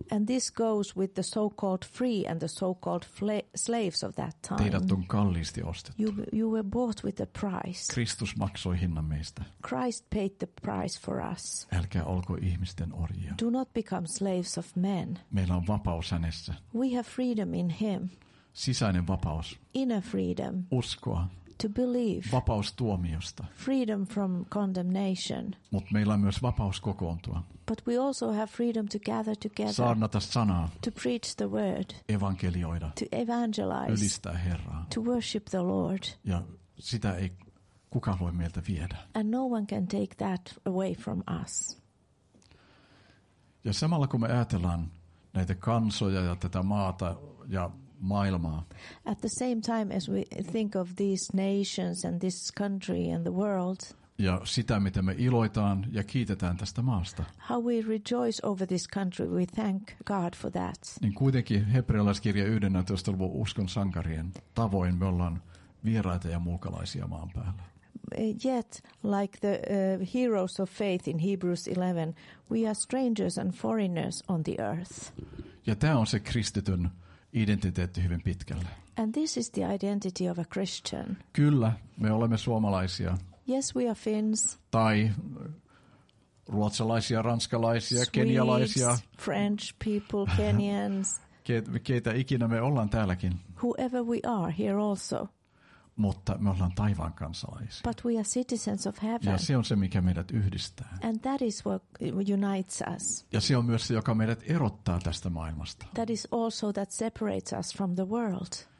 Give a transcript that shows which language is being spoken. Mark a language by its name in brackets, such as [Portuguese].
[English] And this goes with the so-called free and the so-called slaves of that time. [Finnish] Teidät on kalliisti ostettu. [English] You were bought with a price. [Finnish] Kristus maksoi hinnan meistä. [English] Christ paid the price for us. [Finnish] Älkää olko ihmisten orjia. [English] Do not become slaves of men. [Finnish] Meillä on vapaus hänessä. [English] We have freedom in him. [Finnish] Sisäinen vapaus. [English] Inner freedom. [Finnish] Uskoa. [English] To believe. [Finnish] Vapaus tuomiosta. [English] Freedom from condemnation. [Finnish] Mut meillä on myös vapaus kokoontua. [English] But we also have freedom to gather together. [Finnish] Saarnata sanaa. [English] To preach the word. [Finnish] Evankelioida. [English] To evangelize. [Finnish] Ylistää Herraa. [English] To worship the Lord. [Finnish] Ja sitä ei kukaan voi meiltä viedä. [English] And no one can take that away from us. [Finnish] Ja samalla kun me ajatellaan näitä kansoja ja tätä maata ja maailmaa. [English] At the same time as we think of these nations and this country and the world. [Finnish] Ja sitä, mitä me iloitaan ja kiitetään tästä maasta. [English] How we rejoice over this country, we thank God for that. [Finnish] Niin kuitenkin hebrealaiskirja 11. luvun uskon sankarien tavoin me ollaan vieraita ja muukalaisia maan päällä. [English] Yet, like the heroes of faith in Hebrews 11, we are strangers and foreigners on the earth. [Finnish] Ja tämä on se kristityn identiteetti hyvin pitkälle. [English] And this is the identity of a Christian. [Finnish] Kyllä, me olemme suomalaisia. [English] Yes, we are Finns. [Finnish] Tai ruotsalaisia, ranskalaisia, [English] Swedes, [Finnish] kenialaisia. [English] French people, Kenyans. [Finnish] Keitä ikinä me ollaan täälläkin. [English] Whoever we are here also. [Finnish] Mutta me ollaan taivaan kansalaisia. [English] But we are citizens of heaven. [Finnish] Ja se on se, mikä meidät yhdistää. [English] And that is what unites us. [Finnish] Ja se on myös se, joka meidät erottaa tästä maailmasta. [English] That is also that separates us from the world.